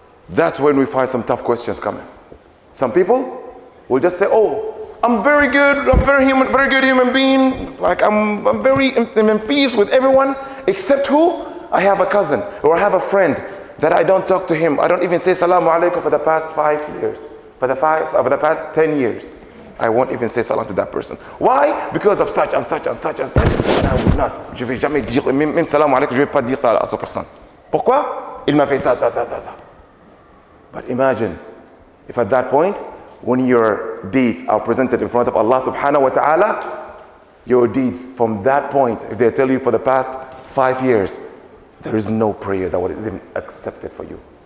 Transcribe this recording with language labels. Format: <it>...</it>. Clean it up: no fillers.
<en>That's when we find some tough questions coming. Some people will just say, oh, I'm very good, I'm very good human being, like I'm in peace with everyone, except who? I have a cousin, or I have a friend that I don't talk to him. I don't even say salamu alaikum for the past 5 years. For the past 10 years, I won't even say salam to that person. Why? Because of such and such and such and such. I would not.</en> <fr>Je vais jamais dire, même salam alaikum, je vais pas dire ça à cette personne. Pourquoi? Il m'a fait ça.</fr> <en>But imagine if at that point, when your deeds are presented in front of Allah subhanahu wa ta'ala, your deeds from that point, if they tell you for the past 5 years, there is no prayer that would even accepted for you.</en>